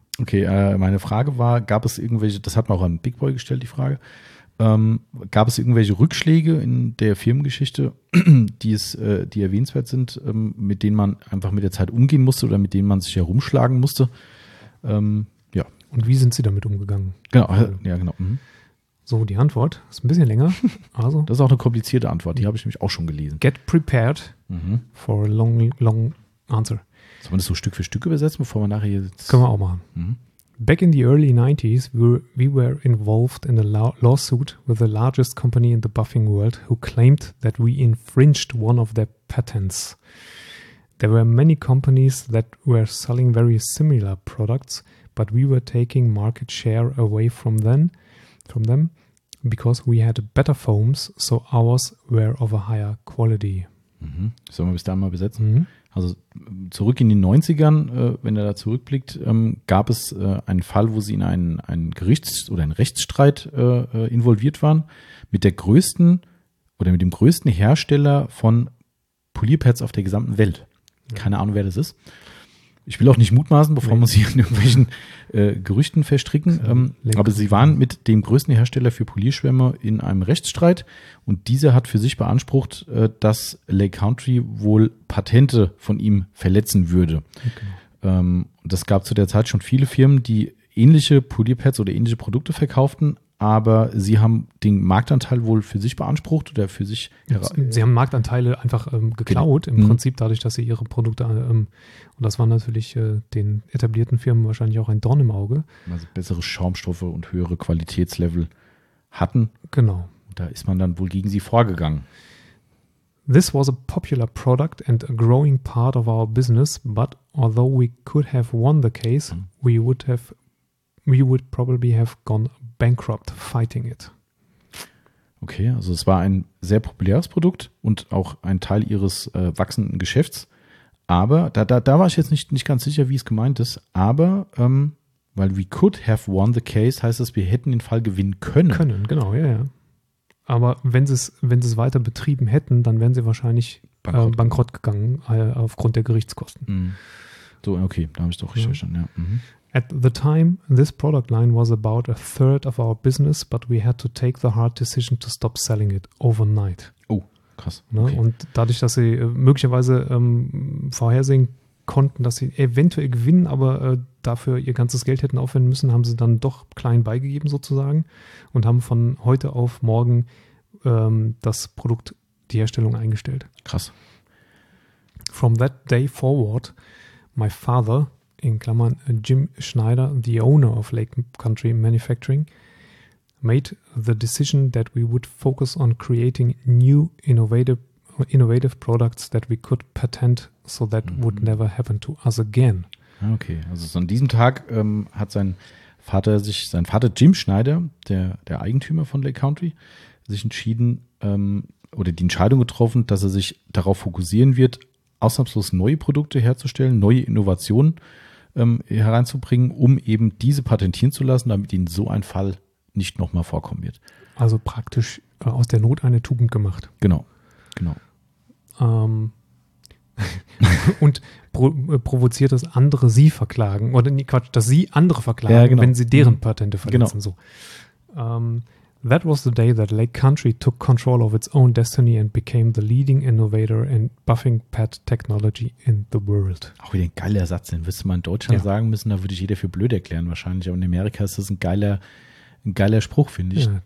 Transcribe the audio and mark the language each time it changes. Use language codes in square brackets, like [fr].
[de] Okay, meine Frage war, gab es irgendwelche, das hat man auch an Big Boy gestellt, die Frage, gab es irgendwelche Rückschläge in der Firmengeschichte, die erwähnenswert sind, mit denen man einfach mit der Zeit umgehen musste oder mit denen man sich herumschlagen musste? Ja. Und wie sind Sie damit umgegangen? Genau, ja, genau. Mhm. So, die Antwort ist ein bisschen länger. Also, das ist auch eine komplizierte Antwort, die habe ich nämlich auch schon gelesen. [en] Get prepared for a long, long answer. [de] Soll man das so Stück für Stück übersetzen, bevor man nachher jetzt... Können wir auch machen. Mhm. [en] Back in the early 90s, we were involved in a lawsuit with the largest company in the buffing world who claimed that we infringed one of their patents. There were many companies that were selling very similar products, but we were taking market share away from them because we had better foams, so ours were of a higher quality. Mhm. [de] Sollen wir bis dahin mal besetzen? Mhm. Also zurück in den 90ern, wenn er da zurückblickt, gab es einen Fall, wo sie in einen Gerichts- oder einen Rechtsstreit involviert waren mit der größten oder mit dem größten Hersteller von Polierpads auf der gesamten Welt. Mhm. Keine Ahnung, wer das ist. Ich will auch nicht mutmaßen, bevor man sich in irgendwelchen Gerüchten verstricken. Aber sie waren mit dem größten Hersteller für Polierschwämme in einem Rechtsstreit. Und dieser hat für sich beansprucht, dass Lake Country wohl Patente von ihm verletzen würde. Okay. Das gab zu der Zeit schon viele Firmen, die ähnliche Polierpads oder ähnliche Produkte verkauften. Aber sie haben den Marktanteil wohl für sich beansprucht oder für sich. Sie haben Marktanteile einfach geklaut, im Prinzip dadurch, dass sie ihre Produkte, und das war natürlich den etablierten Firmen wahrscheinlich auch ein Dorn im Auge. Also bessere Schaumstoffe und höhere Qualitätslevel hatten. Genau. Da ist man dann wohl gegen sie vorgegangen. [en] This was a popular product and a growing part of our business, but although we could have won the case, we would probably have gone bankrupt fighting it. [de] Okay, also es war ein sehr populäres Produkt und auch ein Teil ihres wachsenden Geschäfts. Aber da war ich jetzt nicht ganz sicher, wie es gemeint ist. Aber weil [en] we could have won the case, [de] heißt das, wir hätten den Fall gewinnen können. Können, genau, ja, ja. Aber wenn sie es weiter betrieben hätten, dann wären sie wahrscheinlich bankrott gegangen aufgrund der Gerichtskosten. Mm. So, okay, da habe ich doch richtig verstanden, ja. [en] At the time, this product line was about a third of our business, but we had to take the hard decision to stop selling it overnight. [de] Oh, krass. Ne? Okay. Und dadurch, dass sie möglicherweise vorhersehen konnten, dass sie eventuell gewinnen, aber dafür ihr ganzes Geld hätten aufwenden müssen, haben sie dann doch klein beigegeben sozusagen und haben von heute auf morgen das Produkt, die Herstellung eingestellt. Krass. [en] From that day forward, my father, [de] in Klammern [en] Jim Schneider, the owner of Lake Country Manufacturing, made the decision that we would focus on creating new innovative products that we could patent, so that would never happen to us again. [de] Okay, also so an diesem Tag hat sein Vater Jim Schneider, der Eigentümer von Lake Country, sich entschieden oder die Entscheidung getroffen, dass er sich darauf fokussieren wird, ausnahmslos neue Produkte herzustellen, neue Innovationen hereinzubringen, um eben diese patentieren zu lassen, damit ihnen so ein Fall nicht nochmal vorkommen wird. Also praktisch aus der Not eine Tugend gemacht. Genau, genau. und provoziert, dass andere sie verklagen, oder nee, Quatsch, dass sie andere verklagen, ja, genau, wenn sie deren Patente verletzen. Genau. So. That was the day that Lake Country took control of its own destiny and became the leading innovator in buffing pad technology in the world. Auch wieder ein geiler Satz, den würdest du mal in Deutschland sagen müssen, da würde ich jeder für blöd erklären wahrscheinlich, aber in Amerika ist das ein geiler Spruch, finde ich. Yeah,